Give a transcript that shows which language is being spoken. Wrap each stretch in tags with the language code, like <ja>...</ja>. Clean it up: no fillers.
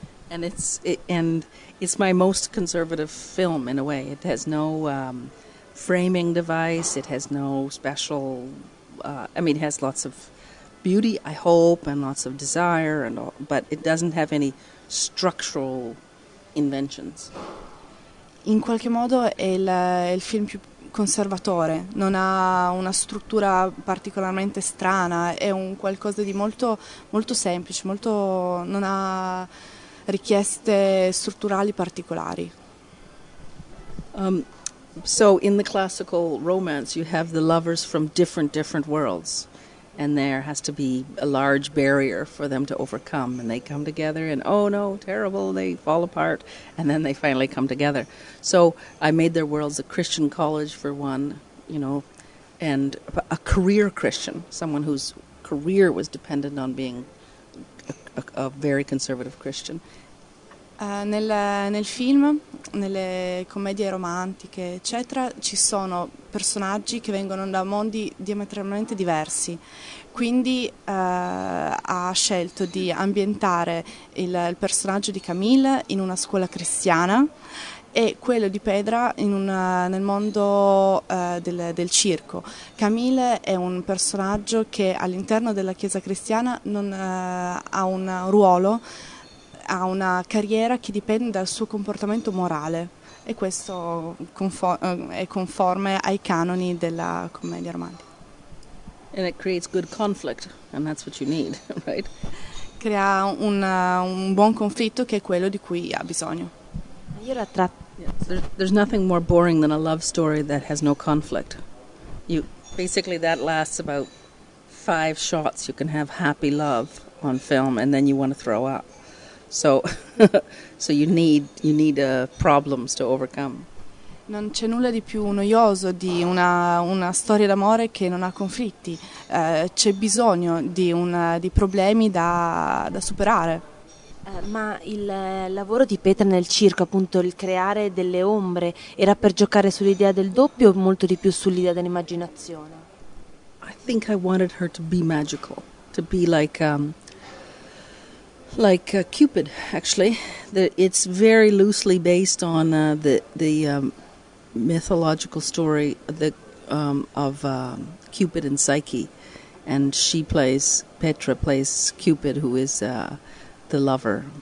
<en>And it's my most conservative film in a way. It has no framing device. It has no special. I mean, it has lots of beauty, I hope, and lots of desire, and all, but it doesn't have any structural inventions.</en> <it>In qualche modo è il film più conservatore, non ha una struttura particolarmente strana, è un qualcosa di molto, molto semplice, molto, non ha richieste strutturali particolari.</it> <en>So in the classical romance you have the lovers from different worlds, and there has to be a large barrier for them to overcome, and they come together and oh no, terrible, they fall apart, and then they finally come together. So I made their worlds a Christian college for one, and a career Christian, someone whose career was dependent on being a very conservative Christian.</en> <it>Nel film, nelle commedie romantiche, eccetera, ci sono personaggi che vengono da mondi diametralmente diversi. Quindi ha scelto di ambientare il personaggio di Camille in una scuola cristiana e quello di Pedra nel mondo del circo. Camille è un personaggio che all'interno della chiesa cristiana non ha un ruolo. Ha una carriera che dipende dal suo comportamento morale e questo è conforme ai canoni della commedia romantica.</it> <en>And it creates good conflict, and that's what you need, right?</en> <it>Crea un buon conflitto che è quello di cui ha bisogno. Io la tratto.</it> <en>There's nothing more boring than a love story that has no conflict. Basically, that lasts about 5 shots. You can have happy love on film, and then you want to throw up. So you need problems to overcome.</en> <it>Non c'è nulla di più noioso di una storia d'amore che non ha conflitti. C'è bisogno di problemi da superare. Ma il lavoro di Petra nel circo, appunto il creare delle ombre, era per giocare sull'idea del doppio o molto di più sull'idea dell'immaginazione?</it> <en>I think I wanted her to be magical, to be like Cupid, actually. It's very loosely based on the mythological story of Cupid and Psyche, and Petra plays Cupid, who is the lover.</en>